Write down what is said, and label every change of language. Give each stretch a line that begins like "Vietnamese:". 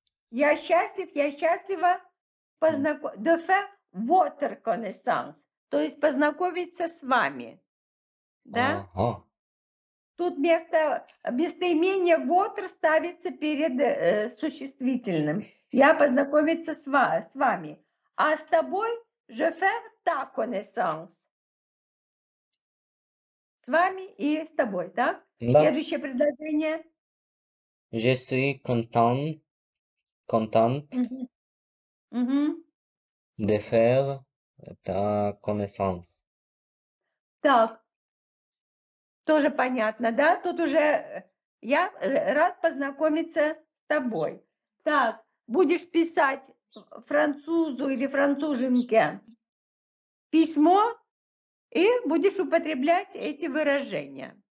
Russian: Я счастлив, я счастлива
French: de faire votre connaissance,
Russian: то есть познакомиться с вами. Да? Ага. Тут место, местоимение votre ставится перед существительным. Я познакомиться с вами. А с тобой
French: je faire ta connaissance.
Russian: С вами и с тобой, да? Да. Следующее предложение.
French: Je suis content de faire ta connaissance.
Russian: Так. Тоже понятно, да? Тут уже я рад познакомиться с тобой. Так, будешь писать французу или француженке письмо и будешь употреблять эти выражения.